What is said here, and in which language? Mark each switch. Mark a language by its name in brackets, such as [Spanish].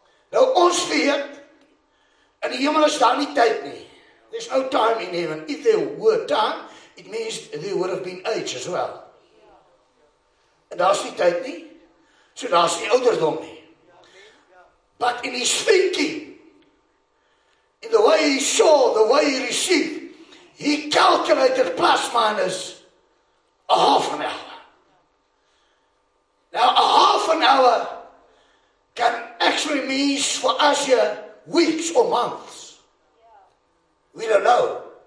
[Afrikaans] Nou ons weet, in die hemel is daar nie tyd nie. [English] There's no time in heaven. If there were time, it means there would have been age as well. [Afrikaans] En daar is nie tyd nie, so daar is nie ouderdom nie. [English] But in his thinking, in the way he saw, the way he received, he calculated plus minus a half an hour. Now a half an hour can actually mean for us here weeks or months. We don't know.